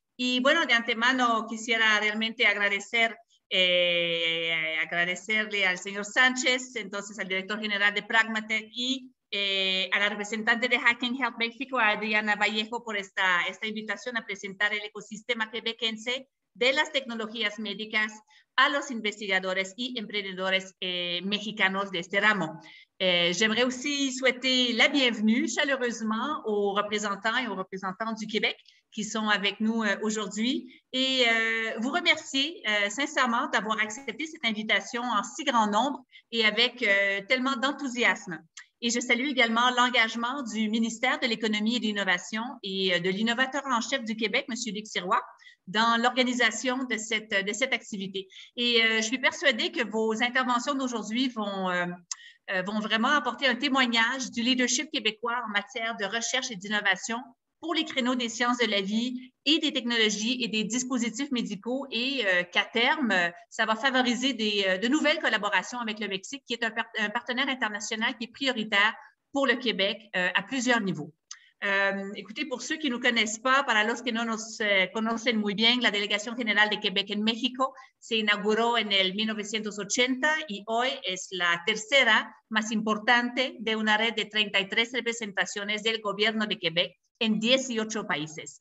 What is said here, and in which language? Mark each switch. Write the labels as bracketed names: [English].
[Spanish] Y bueno, de antemano quisiera realmente agradecerle al señor Sánchez, entonces al director general de Pragmatech y a la representante de Hacking Health México, Adriana Vallejo, por esta invitación a presentar el ecosistema quebequense de las tecnologías médicas a los investigadores y emprendedores mexicanos de este ramo. [French] J'aimerais aussi souhaiter la bienvenue chaleureusement aux représentants et aux représentantes du Québec qui sont avec nous aujourd'hui et vous remercier sincèrement d'avoir accepté cette invitation en si grand nombre et avec tellement d'enthousiasme. Et je salue également l'engagement du ministère de l'Économie et de l'Innovation et de l'innovateur en chef du Québec, M. Luc Sirois, dans l'organisation de cette activité. Et je suis persuadée que vos interventions d'aujourd'hui vont, vont vraiment apporter un témoignage du leadership québécois en matière de recherche et d'innovation pour les créneaux des sciences de la vie et des technologies et des dispositifs médicaux et qu'à terme, ça va favoriser des, de nouvelles collaborations avec le Mexique qui est un partenaire international qui est prioritaire pour le Québec à plusieurs niveaux. Écoutez, pour ceux qui ne nous connaissent pas, [Spanish] para los que no nos conocen muy bien, la Delegación General de Québec en México se inauguró en el 1980 y hoy es la tercera más importante de una red de 33 representaciones del gobierno de Québec en 18 países.